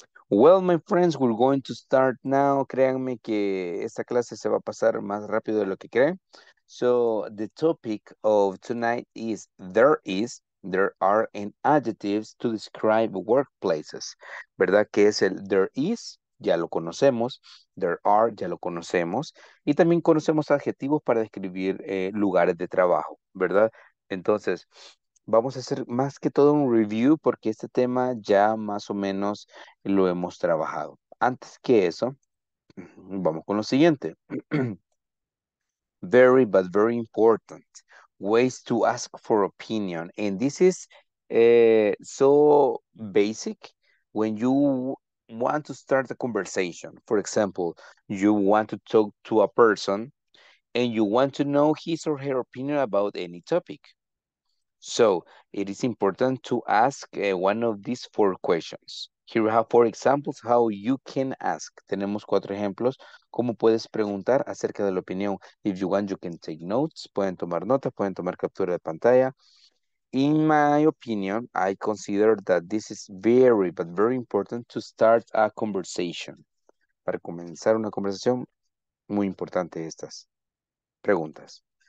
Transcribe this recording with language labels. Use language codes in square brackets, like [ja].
[en] Well, my friends, we're going to start now. [es] Créanme que esta clase se va a pasar más rápido de lo que creen. [en] So, the topic of tonight is there are and adjectives to describe workplaces. [es] ¿Verdad que es el there is? Ya lo conocemos, there are, ya lo conocemos, y también conocemos adjetivos para describir lugares de trabajo, ¿verdad? Entonces, vamos a hacer más que todo un review porque este tema ya más o menos lo hemos trabajado. Antes que eso, vamos con lo siguiente. [en] Very, but very important, ways to ask for opinion. And this is so basic when you want to start a conversation. For example, you want to talk to a person and you want to know his or her opinion about any topic. So it is important to ask one of these four questions. Here we have four examples how you can ask. [es] Tenemos cuatro ejemplos. ¿Cómo puedes preguntar acerca de la opinión? [en] If you want, you can take notes. [es] Pueden tomar notas, pueden tomar captura de pantalla. [en] In my opinion, I consider that this is very, but very important to start a conversation. [es] Para comenzar una conversación, muy importante estas preguntas.